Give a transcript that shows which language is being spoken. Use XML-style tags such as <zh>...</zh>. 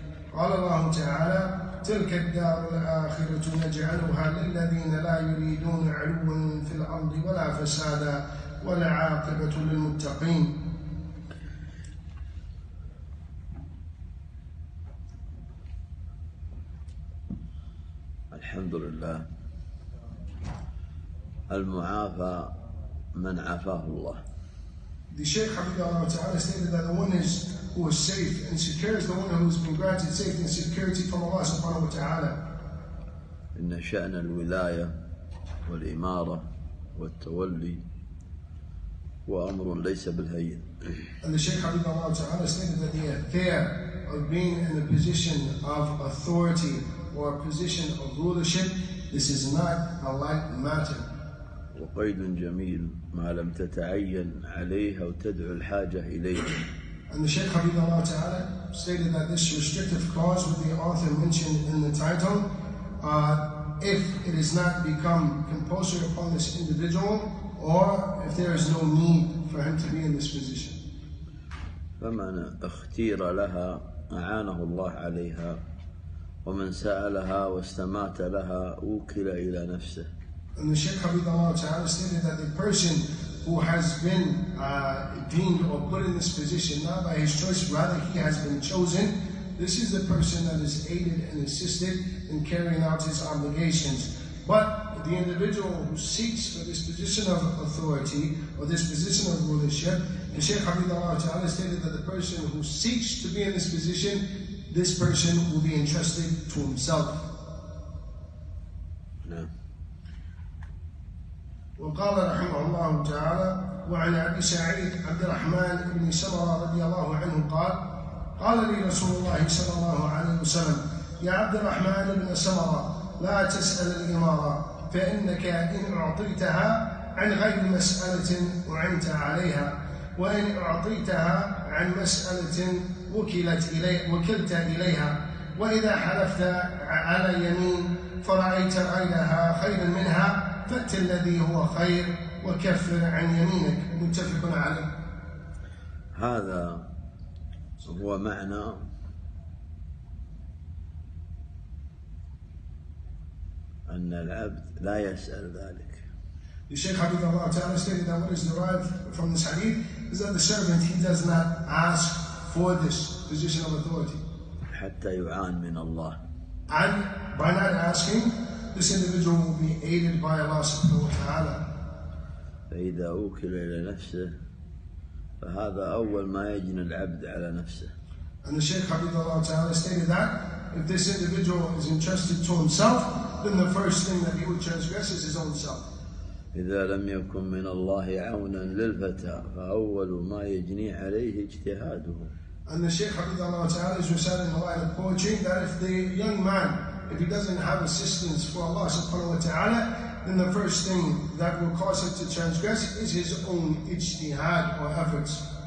<ar>قال الله تعالى: تلك الدار الآخرة نجعلها للذين لا يريدون علوا في الأرض ولا فسادا والعاقبة للمتقين. الحمد لله، المعافى من عافاه الله.</ar> <en>The Shaykh Hafidhahullah Ta'ala stated that the one is who is safe and secure is the one who has been granted safety and security from Allah subhanahu wa ta'ala.</en> <ar>إن شأن الولاية والإمارة والتولي وأمر ليس بالهين.</ar> <en>And the Shaykh Hafidhahullah Ta'ala stated that the affair of being in a position of authority or a position of rulership, this is not a light matter.</en> <ar>وقيد جميل ما لم تتعين عليها وتدعو الحاجة إليه.</ar> <en>And the Shaykh Hafidhahullah Ta'ala stated that this restrictive clause with the author mentioned in the title, if it is not become compulsory upon this individual or if there is no need for him to be in this position.</en> <ar>فمن اختير لها أعانه الله عليها ومن سألها واستمات لها وكل إلى نفسه.</ar> <en>And the Shaykh Hafidhahullah Ta'ala stated that the person who has been deemed or put in this position, not by his choice, rather he has been chosen, this is the person that is aided and assisted in carrying out his obligations. But the individual who seeks for this position of authority or this position of rulership, the Shaykh Hafidhahullah Ta'ala stated that the person who seeks to be in this position, this person will be entrusted to himself.</en> <ar>وقال رحمه الله تعالى: وعن أبي سعيد عبد الرحمن بن سمرة رضي الله عنه قال: قال لي رسول الله صلى الله عليه وسلم: يا عبد الرحمن بن سمرة، لا تسأل الإمارة فإنك إن أعطيتها عن غير مسألة أعنت عليها، وإن أعطيتها عن مسألة وكلت إليها، وإذا حلفت على يمين فرأيت غيرها خيرا منها فات الذي هو خير وكفر عن يمينك. متفق عليه. هذا هو معنى أن العبد لا يسأل ذلك.</ar> <en>The Shaykh Hafidhahullah Ta'ala stated that what is derived from this hadith is that the servant, he does not ask for this position of authority.</en> <ar>حتى يعان من الله.</ar> <en>And by not asking, this individual will be aided by Allah subhanahu wa ta'ala.</en> <ar>فإذا أوكل إلى نفسه فهذا أول ما يجن العبد على نفسه.</ar> <en>And the Shaykh Hafidhahullah Ta'ala stated that if this individual is entrusted to himself, then the first thing that he would transgress is his own self.</en> <ar>إذا لم يكن من الله عونا للفتى فأول ما يجني عليه اجتهاده.</ar> <en>And the Sheikh</en> <ar>حفظه الله تعالى</ar> <en>is reciting a line of poetry that if the young man, if he doesn't have assistance for Allah subhanahu wa ta'ala, then the first thing that will cause him to transgress is his own ijtihad or efforts.</en>